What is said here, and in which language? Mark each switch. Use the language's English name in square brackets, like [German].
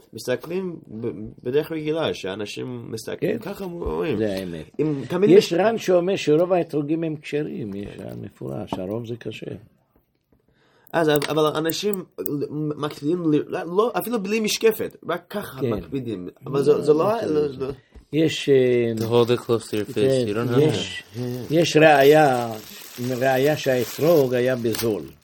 [Hebrew] מסתכלים בדרך רגילה, שאנשים מסתכלים ככה ורואים. זה האמת. יש רן שאומר שרוב האתרוגים הם כשרים, יש רן מפורש, הרוב זה קשה. אז אבל אנשים מקפידים, לא, אפילו בלי משקפת, רק ככה מקפידים. אבל זה לא... יש... [English] To hold it close to your face, you don't know. [Hebrew] יש ראיה, ראיה שהאתרוג היה בזול.